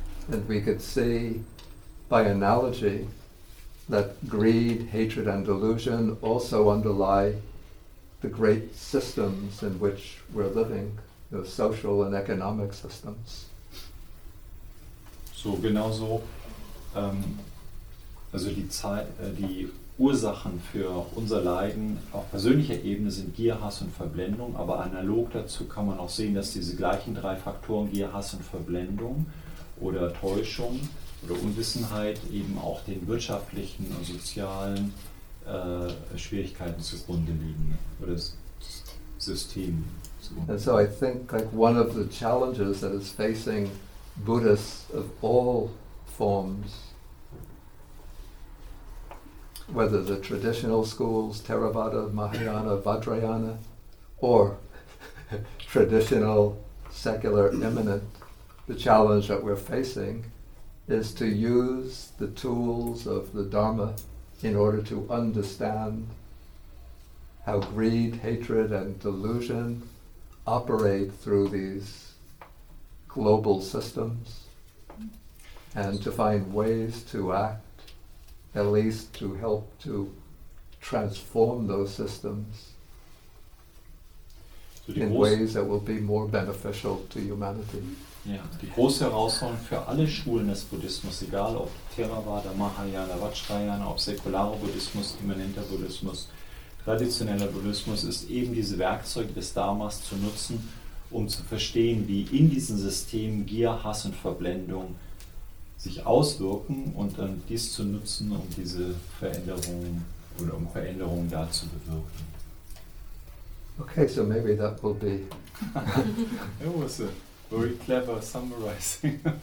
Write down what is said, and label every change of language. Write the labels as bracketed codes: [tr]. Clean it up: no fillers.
[en] And we could see, by analogy, that greed, hatred, and delusion also underlie the great systems in which we're living, the social and economic systems. [de] So, genauso, also die Zeit, die Ursachen für unser Leiden auf persönlicher Ebene sind Gier, Hass und Verblendung, aber analog dazu kann man auch sehen, dass diese gleichen drei Faktoren Gier, Hass und Verblendung oder Täuschung oder Unwissenheit eben auch den wirtschaftlichen und sozialen Schwierigkeiten zugrunde liegen oder Systemen zugrunde. [en] And so I think like one of the challenges that is facing Buddhists of all forms, whether the traditional schools, Theravada, Mahayana, Vajrayana, or traditional secular immanent, the challenge that we're facing is to use the tools of the Dharma in order to understand how greed, hatred, and delusion operate through these global systems, and to find ways to act at least to help to transform those systems in ways that will be more beneficial to humanity. [de] Ja, die große Herausforderung für alle Schulen des Buddhismus, egal ob Theravada, Mahayana, Vajrayana, ob säkularer Buddhismus, immanenter Buddhismus, traditioneller Buddhismus, ist eben diese Werkzeuge des Dharmas zu nutzen, um zu verstehen, wie in diesen Systemen Gier, Hass und Verblendung sich auswirken und dann dies zu nutzen, um diese Veränderungen oder um Veränderungen da zu bewirken. [en] Okay, so maybe that will be... It was a very clever summarizing.